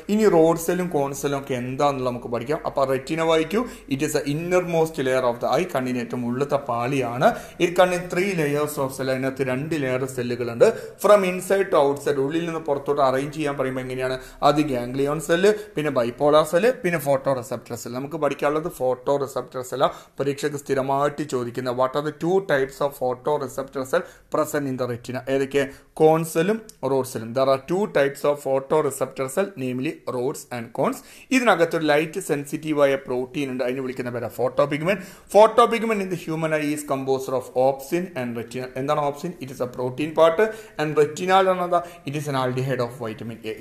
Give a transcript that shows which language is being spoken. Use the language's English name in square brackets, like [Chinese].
[Malayalam] ഇനി റോഡ് സെല്ലും കോൺസെല്ലും ഒക്കെ എന്താണെന്നുള്ള നമുക്ക് പഠിക്കാം. അപ്പോൾ റെറ്റിന വായിക്കൂ, [English] It is a innermost layer of the eye. [Malayalam] കണ്ണിന് ഏറ്റവും ഉള്ളത്തെ പാളിയാണ് ഈ കണ്ണിന്. 3 layers ഓഫ് സെല്ല്, അതിനകത്ത് 2 layer സെല്ലുകളുണ്ട്. [English] from inside to outside, [Malayalam] ഉള്ളിൽ നിന്ന് പുറത്തോട്ട് അറേഞ്ച് ചെയ്യാൻ പറയുമ്പോൾ എങ്ങനെയാണ്? അത് ഗാംഗ്ലിയോൺ സെല്ല്, പിന്നെ ബൈപോളാർ സെല്ല്, പിന്നെ ഫോട്ടോ റിസെപ്റ്റർ സെല്ല്. നമുക്ക് പഠിക്കാനുള്ളത് ഫോട്ടോ റിസെപ്റ്റർ സെല്ല്. പരീക്ഷയ്ക്ക് സ്ഥിരമായിട്ട് ചോദിക്കുന്ന [English] What are the 2 types of photoreceptor cell present in the retina. [Malayalam] ഏതൊക്കെ? കോൺസ് സെല്ലും റോഡ് സെല്ലും. [English] There are 2 types of photoreceptor cell, namely rods and cones. [Malayalam] ഇതിനകത്തൊരു ലൈറ്റ് സെൻസിറ്റീവായ പ്രോട്ടീൻ ഉണ്ട്, അതിനെ വിളിക്കുന്ന പേരാണ് photo pigment. [English] Photopigment in the human eye is composer of opsin and retina. [Malayalam] എന്താണ് opsin? [English] It is a protein part and retinal ആണത്. It is an aldehyde of vitamin A.